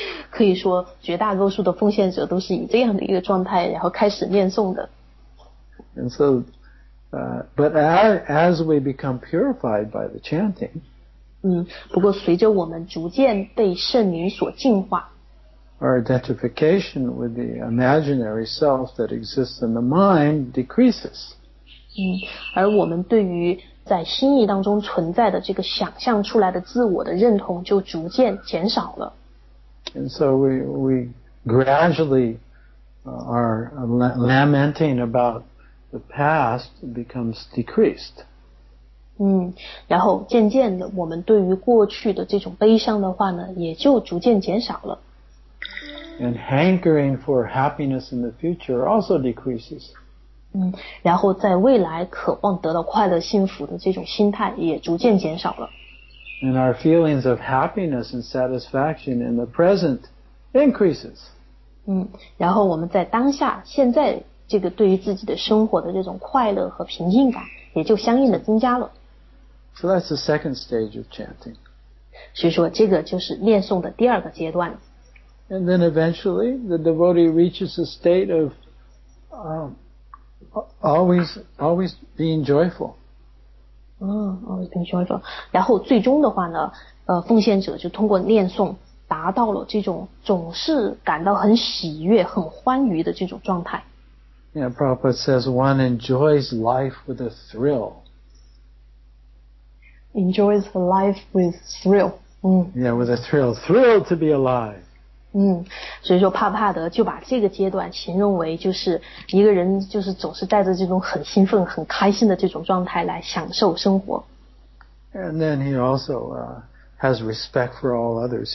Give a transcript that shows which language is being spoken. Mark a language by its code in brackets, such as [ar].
[zh] 可以说绝大多数的奉献者都是以这样的一个状态然后开始念诵的。 [en] And so, But as we become purified by the chanting, [zh] 不过随着我们逐渐被圣灵所净化， [en] our identification with the imaginary self that exists in the mind decreases. [zh] 而我们对于在心意当中存在的这个想象出来的自我的认同就逐渐减少了。 [en] And so we gradually are lamenting about the past becomes decreased. [zh] 然后渐渐的我们对于过去的这种悲伤的话呢也就逐渐减少了。 [en] And hankering for happiness in the future also decreases. [zh] 然后在未来渴望得到快乐幸福的这种心态也逐渐减少了。 [en] And our feelings of happiness and satisfaction in the present increases. [zh] 然后我们在当下现在这个对于自己的生活的这种快乐和平静感也就相应的增加了。 [en] So that's the second stage of chanting. [zh] 所以说这个就是念诵的第二个阶段。 [en] And then eventually, the devotee reaches a state of always being joyful. Always being joyful. [zh] 然后最终的话呢，奉献者就通过念诵达到了这种总是感到很喜悦、很欢愉的这种状态。 [en] Yeah, Prabhupada says one enjoys life with a thrill. Enjoys life with thrill. Yeah, with a thrill. Thrill to be alive. [zh] 所以说帕帕德就把这个阶段形容为就是一个人就是总是带着这种很兴奋、很开心的这种状态来享受生活。 [en] And then he also has respect for all others.